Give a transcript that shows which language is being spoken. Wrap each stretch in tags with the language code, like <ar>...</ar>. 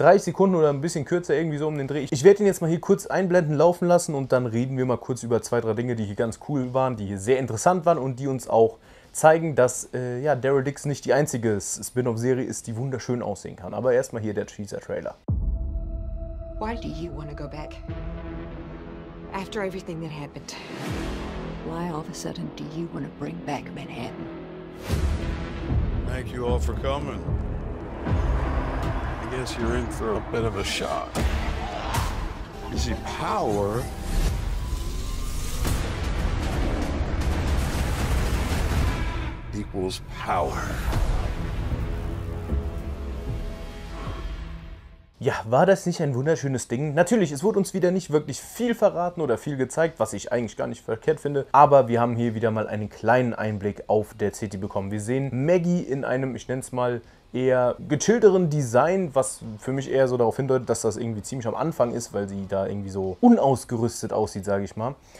<de>30 Sekunden oder ein bisschen kürzer, irgendwie so um den Dreh. Ich werde ihn jetzt mal hier kurz einblenden, laufen lassen und dann reden wir mal kurz über zwei, drei Dinge, die hier ganz cool waren, die hier sehr interessant waren und die uns auch zeigen, dass ja, Daryl Dixon nicht die einzige Spin-off-Serie ist, die wunderschön aussehen kann. Aber erstmal hier der Teaser-Trailer.</de> <en>Why do you want to go back? After everything that happened, why all of a sudden do you want to bring back Manhattan? Thank you all for coming. I guess you're in for a bit of a shock. You see, power equals power.</en> <de>Ja, war das nicht ein wunderschönes Ding? Natürlich, es wurde uns wieder nicht wirklich viel verraten oder viel gezeigt, was ich eigentlich gar nicht verkehrt finde. Aber wir haben hier wieder mal einen kleinen Einblick auf Dead City bekommen. Wir sehen Maggie in einem, ich nenne es mal, eher gechillteren Design, was für mich eher so darauf hindeutet, dass das irgendwie ziemlich am Anfang ist, weil sie da irgendwie so unausgerüstet aussieht, sage ich mal.</de>